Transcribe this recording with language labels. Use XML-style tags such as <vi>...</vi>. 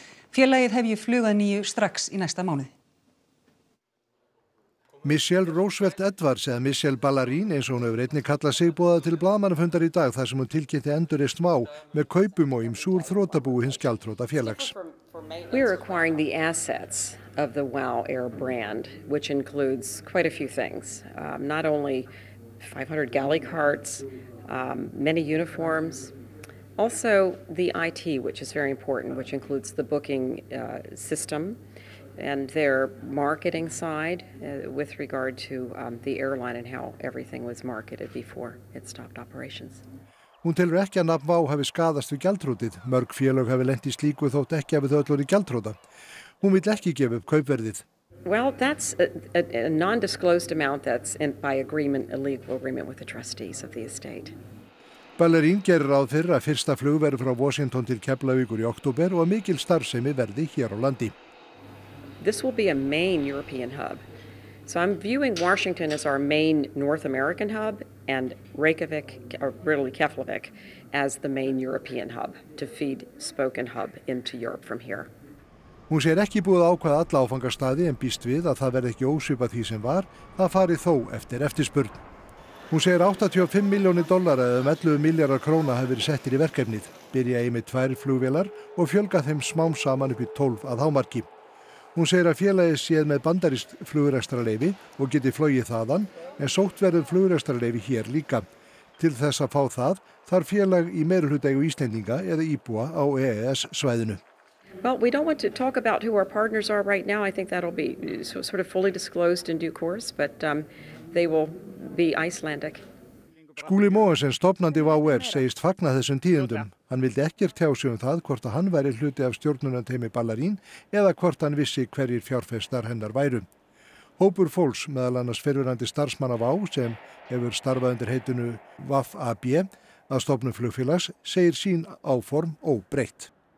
<is>Félagið hefji flugað nýju strax í næsta mánuði. Michelle Roosevelt Edwards eða Michelle Ballarin eins og hún hefur einnig kallað sig boðað til blaðamannafundar í dag þar sem hún tilkynnti endurreist WOW með kaupum og ýmsu úr þrotabúi hins gjaldþrota félags.</is> <en>We are acquiring the assets of the WOW Air brand, which includes quite a few things. Not only 500 galley carts, many uniforms, also the IT, which is very important, which includes the booking system and their marketing side with regard to the airline and how everything was marketed before it stopped operations.</en> <is>Hún telur ekki að nafn WOW hafi skaðast við gjaldþrotið. Mörg félög hafi lent í slíku þótt ekki hafi þau öll orðið gjaldþrota. Hún vill ekki gefa upp kaupverðið.</is> <en>Well, that's a non-disclosed amount that's in by agreement, a legal agreement with the trustees of the estate.</en> <is>Ballarin gerir ráð fyrir að fyrsta flug verður frá Washington til Keflavíkur í október og að mikil starfsemi verði hér á landi.</is> <en>This will be a main European hub. So I'm viewing Washington as our main North American hub and Reykjavik, or really Keflavik, as the main European hub to feed spoken hub into Europe from here.</en> <is>Hún segir ekki búið ákvað alla áfangastaði en býst við að það verði ekki ósvipað því sem var, það fari þó eftir eftirspurn. Hún segir 85 miljónir dollara eða 11 miljardar króna hafi verið settir í verkefnið, byrja í með 2 flugvélar og fjölga þeim smám saman upp í 12 að hámarki. Hún segir að félagið séð með bandarískt flugrekstrarleyfi og geti flogið þaðan, en sótt verður flugrekstrarleyfi hér líka. Til þess að fá það þarf félag í meirihlutaeigu Íslendinga eða íbúa á EES-svæðinu.</is> <en>Well, we don't want to talk about who our partners are right now. I think that'll be sort of fully disclosed in due course, but they will be Icelandic.</en> <is>Skúli Mogensen, stofnandi WOW Air, segist fagna þessum tíðendum. Hann vildi ekkert tjá sig það hvort að hann væri hluti af stjórnunarteymi Ballarin eða hvort hann vissi hverjir fjárfestar hennar væru. Hópur fólks, meðal annars fyrrverandi starfsmanna WOW sem hefur starfað undir heitinu WAF AB að stofnu flugfélags, segir sín áform óbreytt.</is>